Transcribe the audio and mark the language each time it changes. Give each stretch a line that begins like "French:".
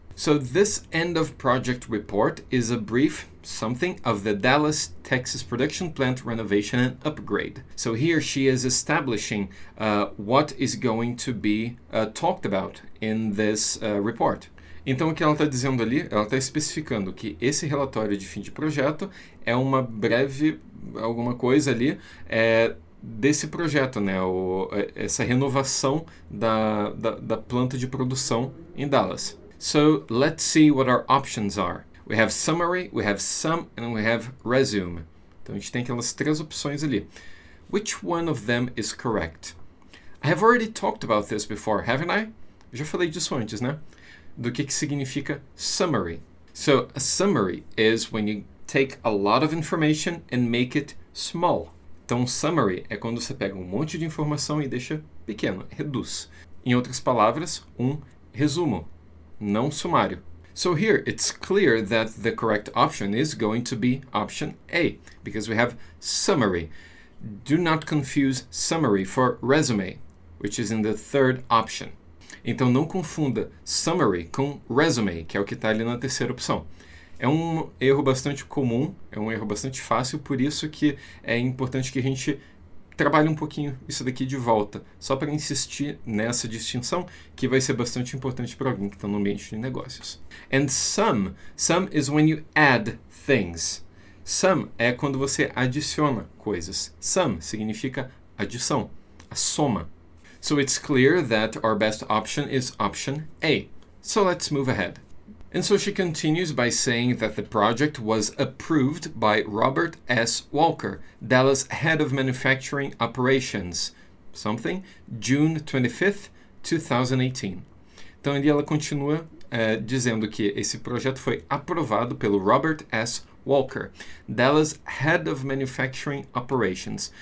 English: So, this end of project report is a brief something of the Dallas, Texas production plant renovation and upgrade. So, here she is establishing what is going to be talked about in this report.
Portuguese: Então, o que ela está dizendo ali, ela está especificando que esse relatório de fim de projeto é uma breve alguma coisa ali desse projeto, né? Essa renovação da planta de produção em Dallas.
English: So, let's see what our options are. We have summary, we have sum, and we have resume.
Portuguese: Então, a gente tem aquelas três opções ali.
English: Which one of them is correct? I have already talked about this before, haven't I?
Portuguese: Eu já falei disso antes, né? Do que significa
English: summary. So, a summary is when you take a lot of information and make it small.
Portuguese: Então, summary é quando você pega um monte de informação e deixa pequeno, reduz. Em outras palavras, resumo. Não sumário.
English: So here it's clear that the correct option is going to be option A, because we have summary. Do not confuse summary for resume, which is in the third option.
Portuguese: Então não confunda summary com resume, que é o que está ali na terceira opção. É um erro bastante comum, é um erro bastante fácil, por isso que é importante que a gente trabalhe um pouquinho isso daqui de volta, só para insistir nessa distinção, que vai ser bastante importante para alguém que está no ambiente de negócios.
English: And sum is when you add things.
Portuguese: Sum é quando você adiciona coisas. Sum significa adição, a soma.
English: So it's clear that our best option is option A. So let's move ahead. And so she continues by saying that the project was approved by Robert S. Walker, Dallas Head of Manufacturing Operations, something, June 25th, 2018.
Portuguese: Então, ela continua dizendo que esse projeto foi aprovado pelo Robert S.
English: Walker, Dallas Head of Manufacturing Operations.